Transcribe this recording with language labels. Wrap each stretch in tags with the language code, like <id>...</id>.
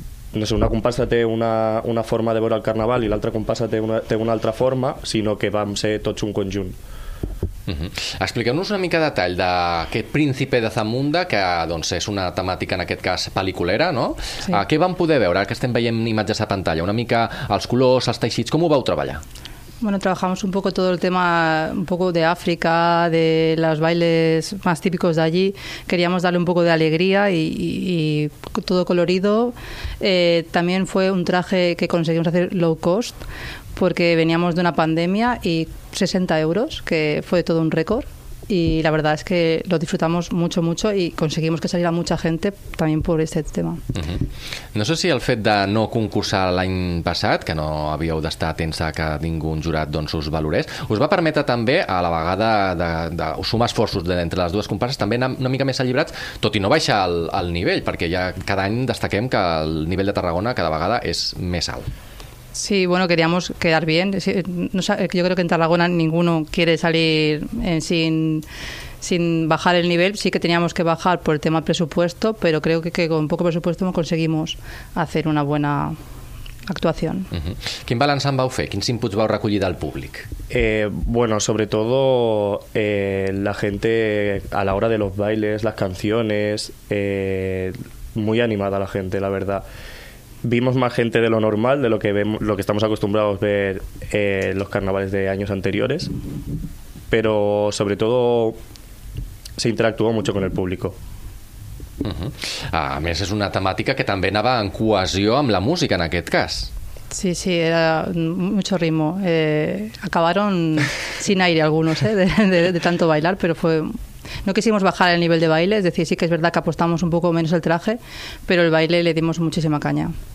<ca>no sé, una comparsa té una forma de veure el carnaval i l'altra comparsa té una altra forma, sinó que vam ser tots un conjunt. Expliqueu-nos una mica de detall d'aquest Príncipe de Zamunda, que doncs, és una temàtica, en aquest cas, pel·liculera, no? Sí. Què vam poder veure? Ara que estem veient imatges a pantalla, una mica els colors, els teixits, com ho vau treballar?</ca> <es>Bueno, trabajamos un poco todo el tema un poco de África, de los bailes más típicos de allí. Queríamos darle un poco de alegría y todo colorido. También fue un traje que conseguimos hacer low cost porque veníamos de una pandemia y 60 euros, que fue todo un récord. Y la verdad es que lo disfrutamos mucho, mucho y conseguimos que saliera mucha gente también por este tema.</es> <ca>No sé si el fet de no concursar l'any passat, que no havíeu d'estar atents a que ningú un jurat doncs, us valorés, us va permetre també, a la vegada de sumar esforços entre les dues comparses, també anar una mica més alliberats, tot i no baixar el nivell, perquè ja cada any destaquem que el nivell de Tarragona cada vegada és més alt.</ca> <es>Sí, bueno, queríamos quedar bien. Yo creo que en Tarragona ninguno quiere salir sin bajar el nivel. Sí que teníamos que bajar por el tema presupuesto, pero creo que con poco presupuesto conseguimos hacer una buena actuación.</es> <ca>Quin balanç en vau fer? Quins inputs vau recollir del públic?</ca> <es>Bueno, sobre todo la gente a la hora de los bailes, las canciones, muy animada la gente, la verdad. Vimos más gente de lo normal, de lo que vemos, lo que estamos acostumbrados a ver los carnavales de años anteriores, pero sobre todo se interactuó mucho con el público.</es> <ca>A més, és una temàtica que també anava en cohesió amb la música, en aquest cas.</ca> <es>Sí, sí, era mucho ritmo. Acabaron sin aire algunos, de tanto bailar, pero fue... No quisimos bajar el nivel de baile, es decir, sí que es verdad que apostamos un poco menos el traje, pero el baile le dimos muchísima caña.</es>